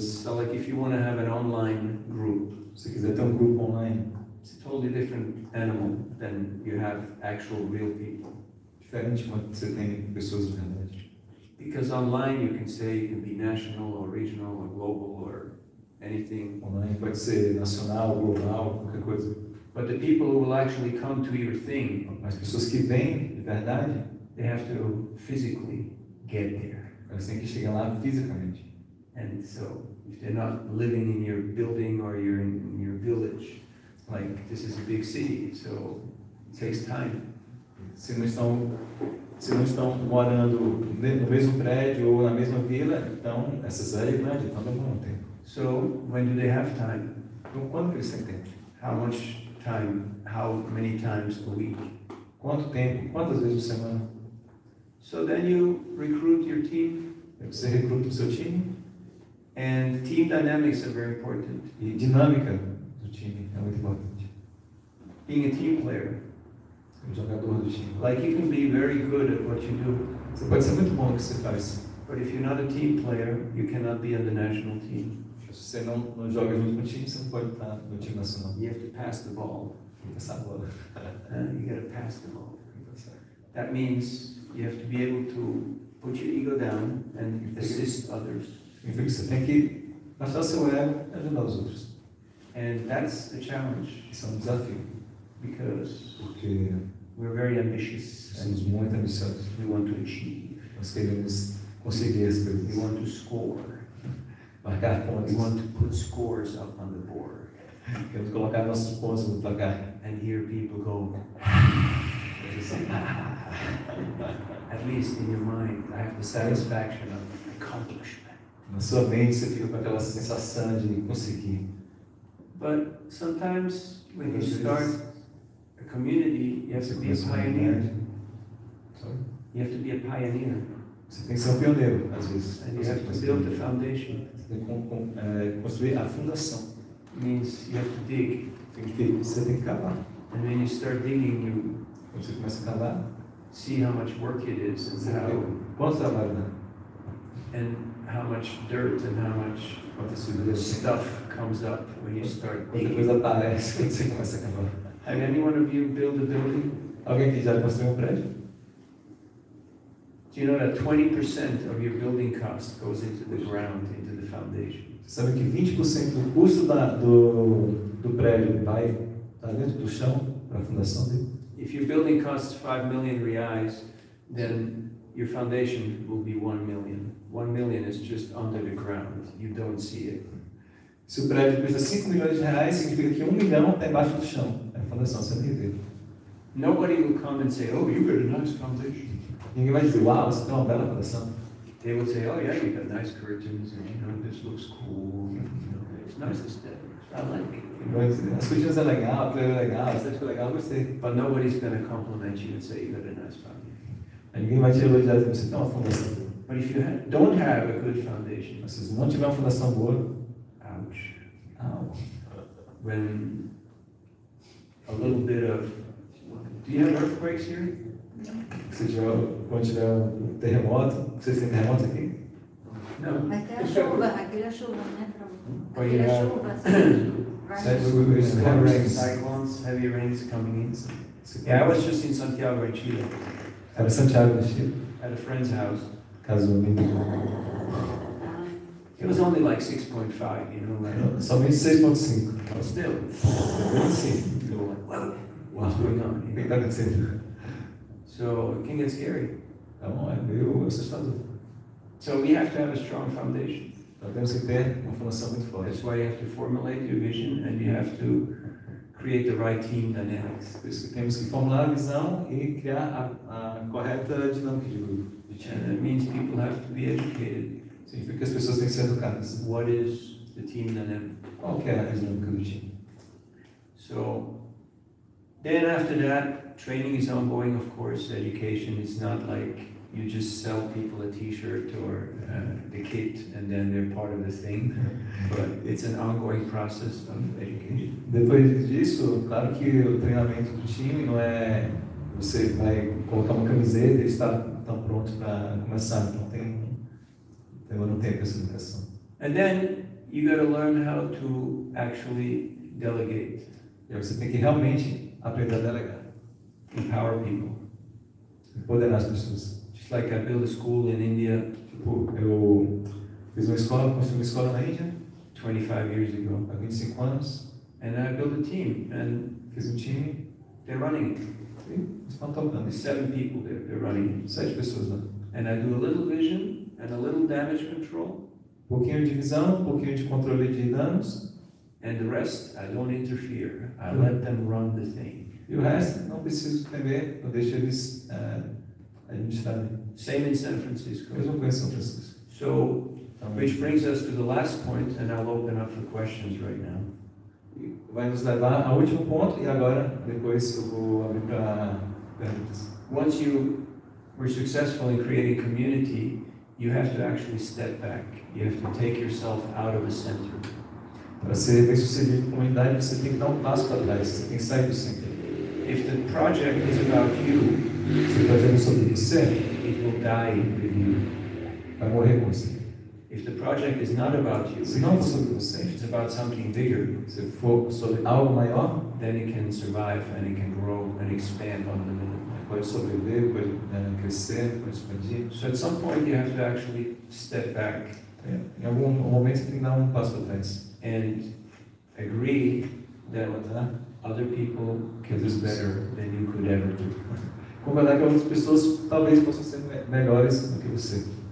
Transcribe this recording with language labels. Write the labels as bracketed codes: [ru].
[en] So like if you want to have an online group. [pt] Se quiser ter um grupo online. [en] It's a totally different animal than you have actual real people. [pt] Diferente de quando você tem pessoas de verdade. [en] Because online you can say you can be national or regional or global or anything. [pt] Online pode ser nacional, global, qualquer coisa. [en] But the people who will actually come to your thing. [pt] As pessoas que vêm de verdade. [en] They have to physically get there. [pt] Elas têm que chegar lá fisicamente. [en] And so, if they're not living in your building or you're in your village, like this is a big city, so it takes time. [pt] Se não estão morando no mesmo prédio ou na mesma vila, então essa cidade é grande, então demora um tempo. [en] So, when do they have time? [pt] Então, quando que eles têm tempo? [en] How much time? How many times a week? [pt] Quanto tempo? Quantas vezes por semana? [en] So then you recruit your team. [pt] Você recruta o seu time. [en] And team dynamics are very important. [pt] E dinâmica do time é muito importante. [en] Being a team player. [pt] Um jogador do time. [en] Like you can be very good at what you do. [pt] Você pode ser muito bom no que você faz. [en] But if you're not a team player, you cannot be on the national team. [pt] Se você não joga junto com o time, você não pode estar no time nacional. [en] You have to pass the ball. [pt] Passar a bola. [en] You gotta pass the ball. That means you have to be able to put your ego down and assist others. [pt] Você tem que baixar seu ego e ajudar os outros. [en] And that's a challenge. [pt] Isso é um desafio. [en] Because [pt] porque [en] we're very ambitious. [pt] Somos muito ambiciosos. [en] We want to achieve. [pt] Nós queremos conseguir as coisas. [en] We want to score. [pt] Marcar pontos. [en] We want to put scores up on the board. [pt] Queremos colocar nossos pontos no placar. [en] And hear people go. At least in your mind, I have the satisfaction of accomplishment. [pt] Na sua mente você fica com aquela sensação de conseguir. [en] But sometimes when you start a community, you have to be a pioneer. You have to be a pioneer. [pt] Você tem que ser um pioneiro, às vezes. [en] And you have to build the foundation. [pt] Você tem que construir a fundação. [en] It means you have to dig. [pt] Você tem que cavar. [en] And when you start digging, you [pt] você começa a cavar. [en] See how much work it is and how. [pt] Quanto trabalho dá? [en] And how much dirt and how much stuff comes up when you start digging. [pt] Quanta coisa aparece quando você começa a cavar. [en] Have any one of you built a building? [pt] Alguém aqui já construiu prédio? [en] Do you know that 20% of your building cost goes into the ground, into the foundation? [pt] Você sabe que 20% do custo do prédio vai estar dentro do chão para a fundação dele? [en] If your building costs 5 million reais, then your foundation will be 1 million. 1 million is just under the ground. You don't see it. [pt] Se o prédio custa 5 milhões de reais, significa que 1 milhão está embaixo do chão. É a fundação, você nem vê. [en] Nobody will come and say, oh, you got a nice foundation. [pt] Ninguém vai dizer, wow, você tem uma bela fundação. [en] They will say, oh, yeah, you got nice curtains, and you know, this looks cool. You know, it's nice aesthetics. I like it. [pt] As coisas é legal, o clima é legal, você acha que é legal, gostei. [en] But nobody's gonna compliment you and say you got a nice foundation. [pt] And ninguém vai te elogiar e você tem uma fundação boa. [en] But if you don't have a good foundation. [pt] Se você não tiver uma fundação boa. Ouch. Ouch. [en] When a little bit of. Do you have earthquakes here? [pt] Se tiver, quando tiver um terremoto, vocês têm terremoto aqui? Não. Mas tem a chuva, aquela chuva, né? Aquela chuva, assim. [en] Cyclones, heavy rains coming in. Yeah, I was just in Santiago in Chile. [pt] Era Santiago in Chile? [en] At a friend's house. [pt] Caso amigo. [en] It was only like 6.5, you know. [pt] Só me 6.5. [en] But still. [pt] 6.5. [en] What's going on? [pt] O que está acontecendo? [en] So, it can get scary. [pt] Tá bom, é meio assustador. [en] So, we have to have a strong foundation. [pt] Então temos que ter uma formação muito forte. [en] That's why you have to formulate your vision and you have to create the right team dynamics. [pt] Por isso que temos que formular a visão e criar a correta dinâmica de grupo. [en] That means people have to be educated. [pt] Significa que as pessoas têm que ser educadas. [en] What is the team dynamic? [pt] Qual que é a dinâmica do time? [en] So, then after that, training is ongoing, of course, education. It's not like you just sell people a t-shirt or the kit and then they're part of the thing. But it's an ongoing process of education. [pt] Depois disso, claro que o treinamento do time não é você vai colocar uma camiseta e está tão pronto para começar. Então tem um tempo essa educação. [en] And then you got to learn how to actually delegate. [pt] E você tem que realmente aprender a delegar. [en] Empower people. [pt] Empoderar as pessoas. [en] Just like I built a school in India. [pt] Tipo, eu fiz uma escola, construí uma escola na Índia. [en] 25 years ago. [pt] Há 25 anos. [en] And I built a team. And [pt] fiz um time. [en] They're running it. [pt] Sim, estão tocando. [en] 7 people there, they're running it. [pt] 7 pessoas lá. [en] And I do a little vision and a little damage control. [pt] Um pouquinho de visão, um pouquinho de controle de danos. [en] And the rest, I don't interfere. I let them run the thing. [pt] E o resto, não preciso entender, eu deixo eles administrarem. [en] Same in San Francisco. [pt] Mesmo com São Francisco. [en] So, which brings us to the last point, and I'll open up for questions right now. [pt] Vai nos levar ao último ponto, e agora, depois, eu vou abrir para perguntas. [en] Once you were successful in creating community, you have to actually step back. You have to take yourself out of the center. [pt] Para ser bem sucedido em comunidade, você tem que dar um passo para trás, você tem que sair do centro. [en] If the project is about you, [pt] se o projeto é sobre você, [en] it will die with you. [pt] Vai morrer com você. [en] If the project is not about you, [pt] se não for sobre você, [en] if it's about something bigger, [pt] se for sobre algo maior, [en] then it can survive and it can grow and expand on the limit. [pt] Pode sobreviver, pode crescer, pode expandir. [en] So at some point you have to actually step back. [pt] Em algum momento você tem que dar um passo para trás. [en] And agree that other people can do better than you could ever do. [pt] Concordar que outras pessoas talvez possam ser melhores do que você.